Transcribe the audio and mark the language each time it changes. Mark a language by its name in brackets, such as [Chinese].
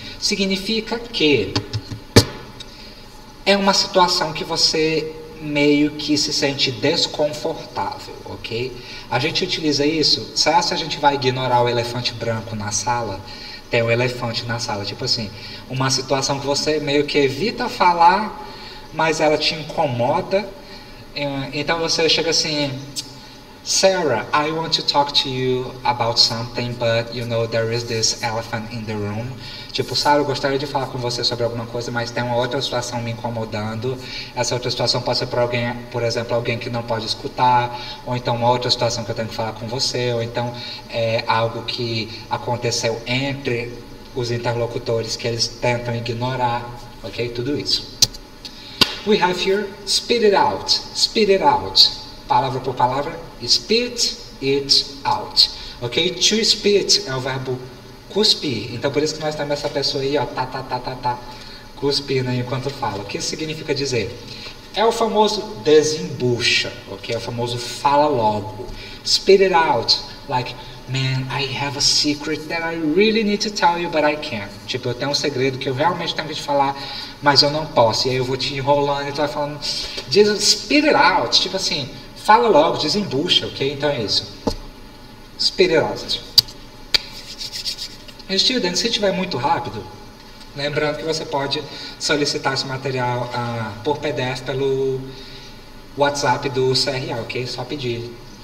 [Portuguese] Significa que é uma situação que você meio que se sente desconfortável, ok? A gente utiliza isso, será se a gente vai ignorar o elefante branco na sala? Tem um elefante na sala, tipo assim, uma situação que você meio que evita falar, mas ela te incomoda. Então você chega assim, [English] Sarah, I want to talk to you about something, but you know there is this elephant in the room. [Portuguese] Tipo, Sarah, eu gostaria de falar com você sobre alguma coisa, mas tem uma outra situação me incomodando. Essa outra situação pode ser para alguém, por exemplo, alguém que não pode escutar, ou então uma outra situação que eu tenho que falar com você, ou então é algo que aconteceu entre os interlocutores que eles tentam ignorar, ok? Tudo isso. [English] We have here, spit it out, spit it out. [Portuguese] Palavra por palavra, [English] spit it out, ok? To spit [Portuguese] é o verbo cuspir, então por isso que nós temos essa pessoa aí, ó, tá, cuspindo enquanto fala. O que isso significa dizer? é o famoso desembucha, ok? É o famoso fala logo. [English] Spit it out, like, man, I have a secret that I really need to tell you, but I can't. [Portuguese] Tipo, eu tenho um segredo que eu realmente tenho que te falar, mas eu não posso. E aí eu vou te enrolando e tu vai falando, [English] just spit it out. [Portuguese] Tipo assim, fala logo, desembucha, ok? Então é isso. [English] Spit it out. [Portuguese] E, student, se estiver muito rápido, lembrando que você pode solicitar esse material por PDF pelo WhatsApp do CRA, ok? Só pedir.